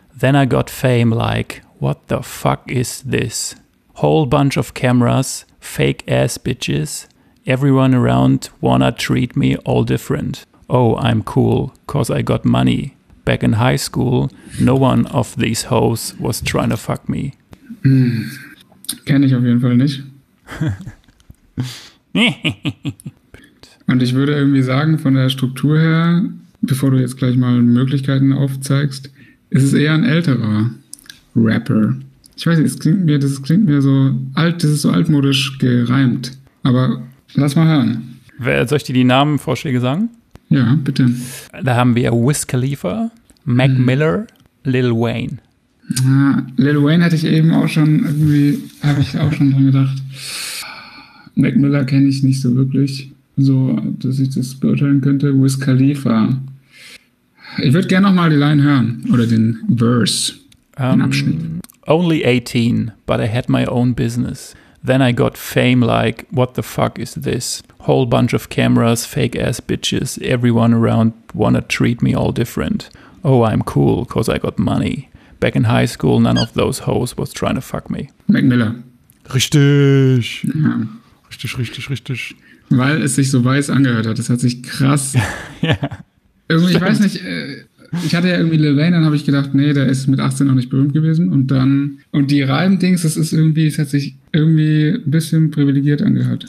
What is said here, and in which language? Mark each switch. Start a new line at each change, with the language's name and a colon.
English: Then I got fame like... What the fuck is this? Whole bunch of cameras, fake ass bitches. Everyone around wanna treat me all different. Oh, I'm cool, cause I got money. Back in high school, no one of these hoes was trying to fuck me.
German: Kenne ich auf jeden Fall nicht. Und ich würde irgendwie sagen, von der Struktur her, bevor du jetzt gleich mal Möglichkeiten aufzeigst, ist es eher ein älterer Rapper. Ich weiß nicht, das klingt mir so alt, das ist so altmodisch gereimt. Aber lass mal hören. Soll ich dir die Namenvorschläge sagen? Ja, bitte. Da haben wir Wiz Khalifa, Mac Miller, Lil Wayne. Ah, Lil Wayne hatte ich eben auch schon irgendwie, habe ich auch schon dran gedacht. Mac Miller kenne ich nicht so wirklich, so dass ich das beurteilen könnte. Wiz Khalifa. Ich würde gerne nochmal die Line hören oder den Verse.
English: Only 18, but I had my own business. Then I got fame like, what the fuck is this? Whole bunch of cameras, fake ass bitches, everyone around wanna treat me all different. Oh, I'm cool, cause I got money. Back in high school, none of those hoes was trying to fuck me.
German: Mac Miller. Richtig. Ja. Richtig, richtig, richtig. Weil es sich so weiß angehört hat, das hat sich krass. Ja. Irgendwie, ich weiß nicht... Ich hatte ja irgendwie Lil Wayne, dann habe ich gedacht, nee, der ist mit 18 noch nicht berühmt gewesen. Und die Reim-Dings, das hat sich irgendwie ein bisschen privilegiert angehört.